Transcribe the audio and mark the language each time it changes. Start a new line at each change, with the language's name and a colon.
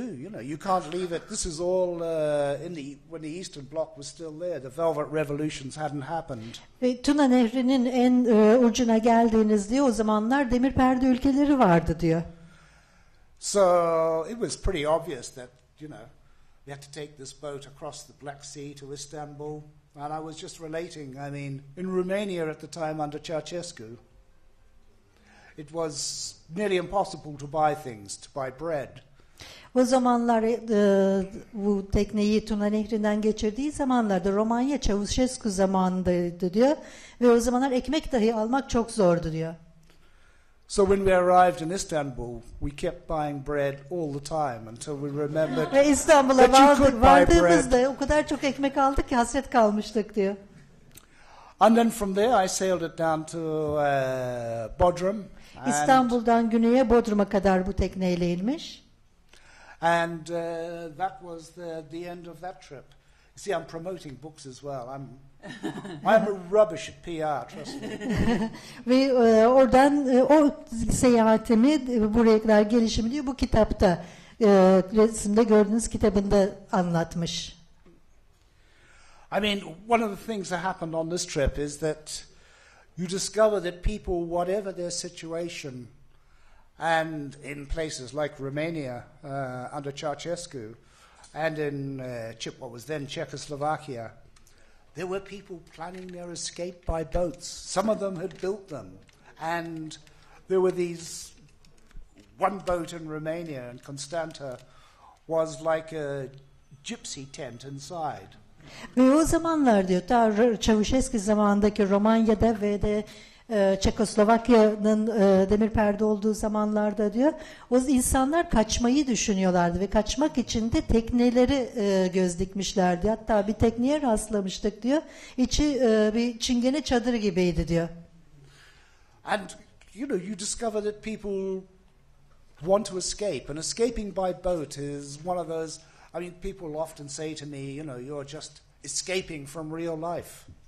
English: You know, you can't leave it. This is all when the Eastern Bloc was still there. The Velvet Revolutions hadn't happened.
Turkish: Tuna Nehri'nin en ucuna geldiğiniz diye o zamanlar demir perde ülkeleri vardı diyor.
English: So it was pretty obvious that, you know, we had to take this boat across the Black Sea to Istanbul. And I was just relating, I mean, in Romania at the time under Ceausescu, it was nearly impossible to buy things, to buy bread.
Turkish: O zamanlar bu tekneyi Tuna Nehri'nden geçirdiği zamanlarda Romanya Ceausescu zamanındaydı diyor ve o zamanlar ekmek dahi almak çok zordu diyor.
English: So when we arrived in Istanbul, we kept buying bread all the time until we remembered
Turkish: that İstanbul'a vardığımızda o kadar çok ekmek aldık ki hasret kalmıştık diyor.
English: And then from there I sailed it down to Bodrum.
Turkish: İstanbul'dan güneye Bodrum'a kadar bu tekneyle inmiş.
English: And that was the end of that trip. You see, I'm promoting books as well. I'm a rubbish at PR, trust me.
Turkish: Ve oradan o seyahatimi buraya kadar gelişimi diyor bu kitapta resimde gördüğünüz kitabında anlatmış.
English: I mean, one of the things that happened on this trip is that you discover that people, whatever their situation, and in places like Romania under Ceausescu, and in what was then Czechoslovakia, there were people planning their escape by boats. Some of them had built them. And there were these, one boat in Romania, in Constanta, was like a gypsy tent inside.
Turkish: Ve o zamanlar diyor, ta Ceausescu zamanındaki Romanya'da ve de Çekoslovakya'nın demir perde olduğu zamanlarda diyor, o insanlar kaçmayı düşünüyorlardı ve kaçmak için de tekneleri göz dikmişlerdi. Hatta bir tekneye rastlamıştık diyor, içi bir çingene çadır gibiydi diyor.
English: And you know, you discover that people want to escape, and escaping by boat is one of those. I mean, people often say to me, you know, you're just escaping from real life.